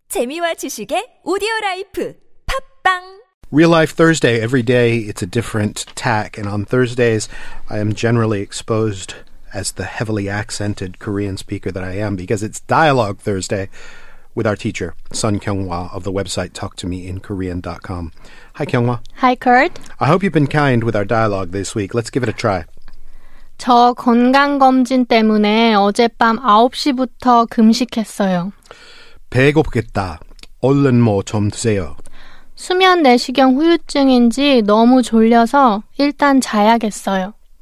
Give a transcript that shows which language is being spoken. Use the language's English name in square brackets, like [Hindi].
[Korean] 재미와 지식의 오디오라이프 팝빵. [English] Real life Thursday, every day it's a different tack, and on Thursdays I am generally exposed as the heavily accented Korean speaker that I am, because it's Dialogue Thursday with our teacher, Sun Kyung-hwa, of the website talktomeinkorean.com. Hi, Kyung-hwa. Hi, Kurt. I hope you've been kind with our dialogue this week. Let's give it a try. [Korean] 저 건강검진 때문에 어젯밤 9시부터 금식했어요. 배고프겠다. 얼른 뭐 좀 드세요. 수면 내시경 후유증인지 너무 졸려서 일단 자야겠어요.